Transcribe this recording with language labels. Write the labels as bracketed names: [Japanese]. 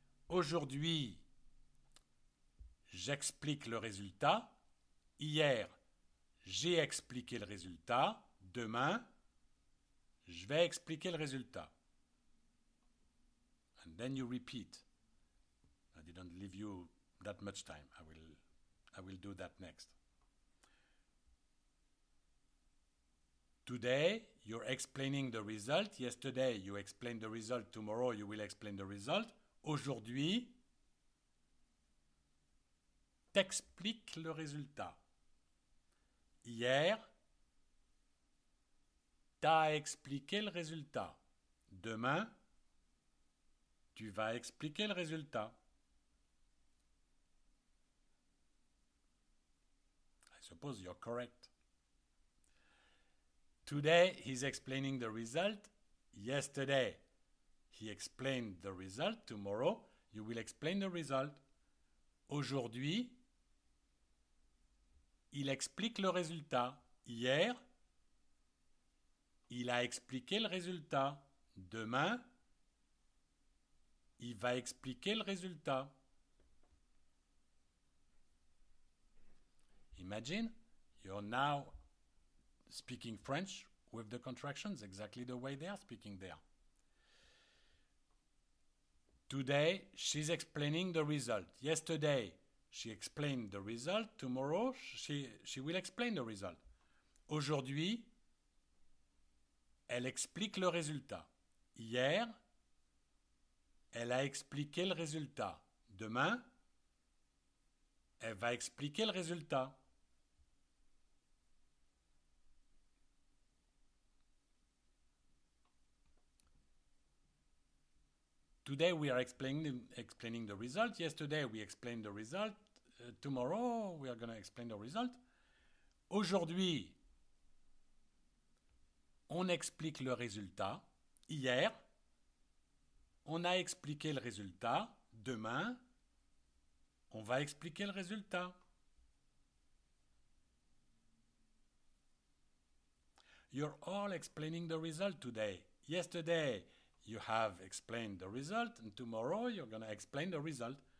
[French] Aujourd'hui, j'explique le résultat. Hier, j'ai expliqué le résultat. Demain, je vais expliquer le résultat. [English] And then you repeat. I didn't leave you that much time. I will do that next. Today, you're explaining the result. Yesterday, you explained the result. Tomorrow, you will explain the result. [French] Aujourd'hui, t'expliques le résultat. Hier, t'as expliqué le résultat. Demain, tu vas expliquer le résultat. [English] I suppose you're correct. Today, he's explaining the result. Yesterday, he explained the result. Tomorrow, you will explain the result. [French] Aujourd'hui, il explique le résultat. Hier, il a expliqué le résultat. Demain, il va expliquer le résultat. [English] Imagine, you're now speaking French with the contractions, exactly the way they are speaking there. Today, she's explaining the result. Yesterday, she explained the result. Tomorrow, she will explain the result. [French] Aujourd'hui, elle explique le résultat. Hier, elle a expliqué le résultat. Demain, elle va expliquer le résultat. [English] Today we are explaining the result. Yesterday we explained the result. Tomorrow we are going to explain the result. [French] Aujourd'hui, on explique le résultat. Hier, on a expliqué le résultat. Demain, on va expliquer le résultat. [English] You're all explaining the result today. Yesterday, you have explained the result, and tomorrow you're going to explain the result.